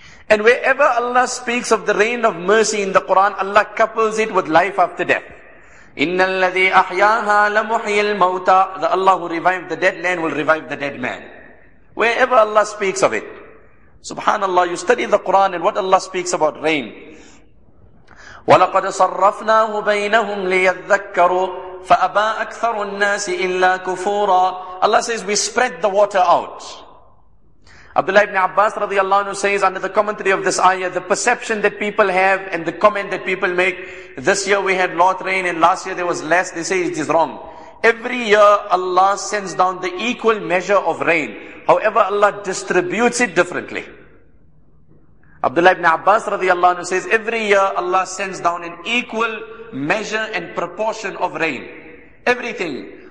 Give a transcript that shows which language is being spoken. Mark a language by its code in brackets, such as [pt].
[en] And wherever Allah speaks of the rain of mercy in the Quran, Allah couples it with life after death. [ar] إِنَّ الَّذِي أَحْيَاهَا لَمُحْيِي الْمَوْتَى. [en] The Allah who revived the dead land will revive the dead man. Wherever Allah speaks of it. Subhanallah, you study the Quran and what Allah speaks about rain. [ar] وَلَقَدْ صَرَّفْنَاهُ بَيْنَهُمْ لِيَذَّكَّرُوا فَأَبَىٰ أَكْثَرُ النَّاسِ إِلَّا كُفُورًا. [en] Allah says, we spread the water out. Abdullah ibn Abbas radiallahu anhu says, under the commentary of this ayah, the perception that people have and the comment that people make, this year we had a lot of rain and last year there was less, they say it is wrong. Every year Allah sends down the equal measure of rain. However, Allah distributes it differently. Abdullah ibn Abbas radiallahu anhu says, every year Allah sends down an equal measure and proportion of rain. Everything.